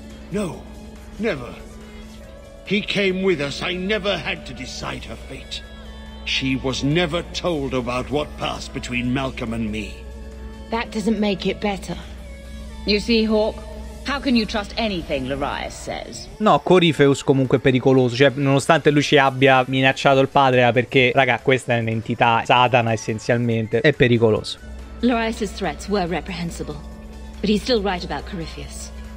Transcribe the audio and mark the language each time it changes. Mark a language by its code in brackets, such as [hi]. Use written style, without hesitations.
[en] No, never. He came with us. I never had to decide her fate. She was never told about what passed between Malcolm and me. That doesn't make it better. You see, Hawk, how can you trust anything Larius says? [it] No, Corypheus comunque è pericoloso. Cioè, nonostante lui ci abbia minacciato il padre, perché, raga, questa è un'entità Satana essenzialmente, è pericoloso. [en] Larius's threats were reprehensible, but he's still right about Corypheus.